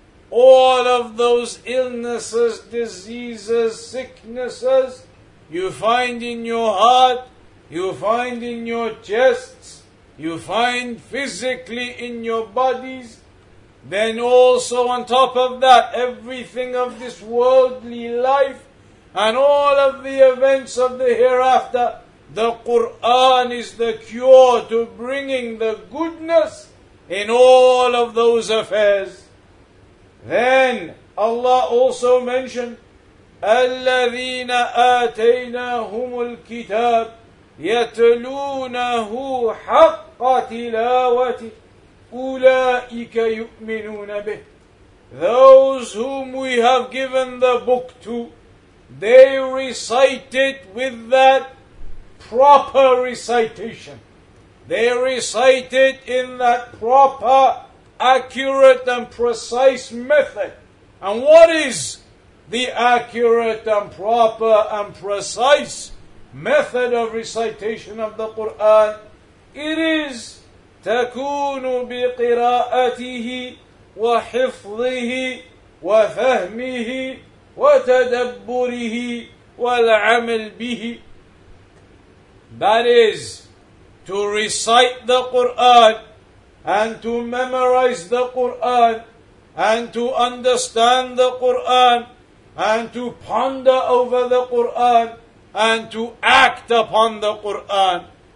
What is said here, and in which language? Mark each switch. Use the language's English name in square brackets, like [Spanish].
[English] All of those illnesses, diseases, sicknesses you find in your heart, you find in your chests, you find physically in your bodies, then also on top of that, everything of this worldly life, and all of the events of the hereafter, the Qur'an is the cure to bringing the goodness in all of those affairs. Then Allah also mentioned, [Arabic] الَّذِينَ آتَيْنَاهُمُ الْكِتَابِ يَتْلُونَهُ حَقَّ تِلَاوَةِ أُولَٰئِكَ يُؤْمِنُونَ بِهِ. [English] Those whom we have given the book to, they recite it with that proper recitation. They recite it in that proper, accurate and precise method. And what is the accurate and proper and precise method of recitation of the Qur'an? It is [Arabic] تَكُونُ بِقِرَاءَتِهِ وَحِفْظِهِ وَفَهْمِهِ وَتَدَبُّرِهِ وَالْعَمَلْ بِهِ. [English] That is, to recite the Qur'an, and to memorize the Qur'an, and to understand the Qur'an, and to ponder over the Qur'an, and to act upon the Qur'an.